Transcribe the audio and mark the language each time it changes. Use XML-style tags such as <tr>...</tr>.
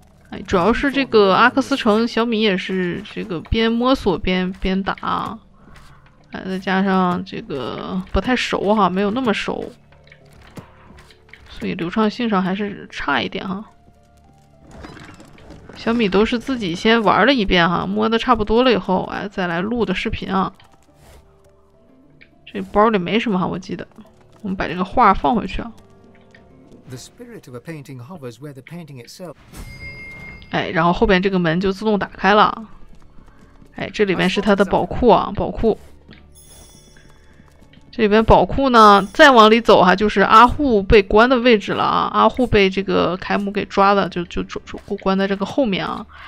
<zh>哎，主要是这个阿克斯城小米也是这个边摸索边打，哎，再加上这个不太熟哈，没有那么熟，所以流畅性上还是差一点哈。小米都是自己先玩了一遍哈，摸的差不多了以后，哎，再来录的视频啊。这包里没什么哈，我记得，我们把这个画放回去啊。</zh> <en>The spirit of a painting hovers where the painting itself.</en> <zh>哎，然后后边这个门就自动打开了。哎，这里边是他的宝库啊，宝库。这里边宝库呢，再往里走哈、啊，就是阿护被关的位置了啊。阿护被这个凯姆给抓的，就关在这个后面啊。</zh>